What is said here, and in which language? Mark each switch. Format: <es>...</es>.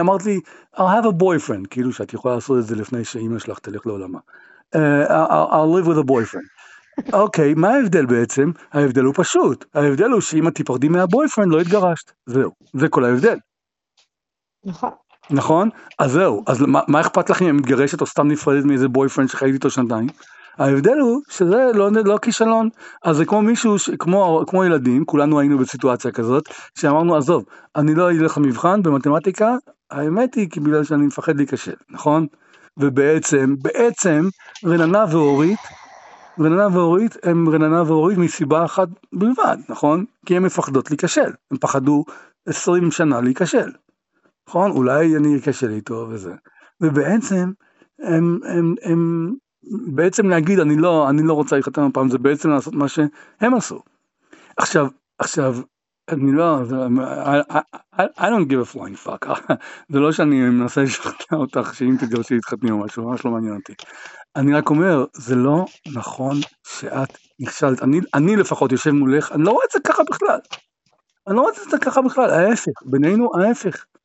<he>אמרת לי,</he> <en>I'll have a boyfriend,</en> <he>כאילו שאת יכולה לעשות את זה לפני שאימא שלך תלך לעולמה.</he> <en>I'll live with a boyfriend.</en> <he>אוקיי, מה ההבדל בעצם? ההבדל הוא פשוט. ההבדל הוא שאם את תיפרדי מהבויפרנד, לא התגרשת. זהו, זה כל ההבדל. נכון. נכון? אז זהו, אז מה אכפת לך אם היא מתגרשת או סתם נפרדת מאיזה בויפרנד שחיית איתו שנתיים? ההבדל הוא שזה לא כישלון. אז זה כמו מישהו, כמו ילדים, כולנו היינו בסיטואציה כזאת, שאמרנו, עזוב, אני לא אלך למבחן במתמטיקה, האמת היא כי בגלל שאני מפחד להיכשל, נכון? ובעצם, בעצם, רננה ואורית, הם רננה ואורית מסיבה אחת בלבד, נכון? כי הם מפחדות להיכשל. הם פחדו 20 שנה להיכשל. נכון? אולי אני אכשל איתו וזה. ובעצם, הם בעצם להגיד, אני לא רוצה להתחתן הפעם, זה בעצם לעשות מה שהם עשו. עכשיו, אני לא,</he> <en>I don't give a flying fuck.</en> <he>זה לא שאני מנסה לשחקע אותך, שאם תגרשי להתחתני או משהו, ממש לא מעניין אותי. אני רק אומר, זה לא נכון שאת נכשלת. אני לפחות יושב מולך, אני לא רואה את זה ככה בכלל. אני לא רואה את זה ככה בכלל, ההפך, בינינו ההפך.</he>